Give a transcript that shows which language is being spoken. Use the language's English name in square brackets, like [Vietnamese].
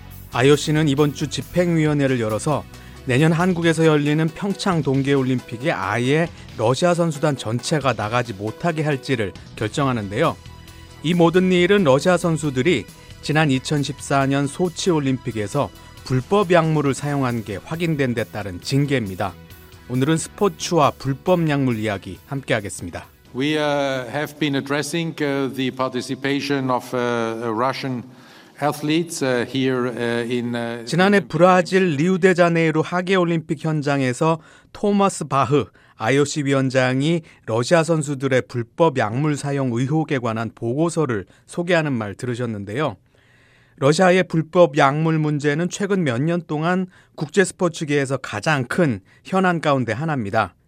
[Korean] IOC는 이번 주 집행위원회를 열어서 내년 한국에서 열리는 평창 동계올림픽에 아예 러시아 선수단 전체가 나가지 못하게 할지를 결정하는데요. 이 모든 일은 러시아 선수들이 지난 2014년 소치올림픽에서 불법 약물을 사용한 게 확인된 데 따른 징계입니다. 오늘은 스포츠와 불법 약물 이야기 함께 하겠습니다. [English] We have been addressing the participation of Russian athletes here in [Korean] 지난해 브라질 리우데자네이루 하계 올림픽 현장에서 토마스 바흐 IOC 위원장이 러시아 선수들의 불법 약물 사용 의혹에 관한 보고서를 소개하는 말 들으셨는데요. 러시아의 불법 약물 문제는 최근 몇 년 동안 국제 스포츠계에서 가장 큰 현안 가운데 하나입니다.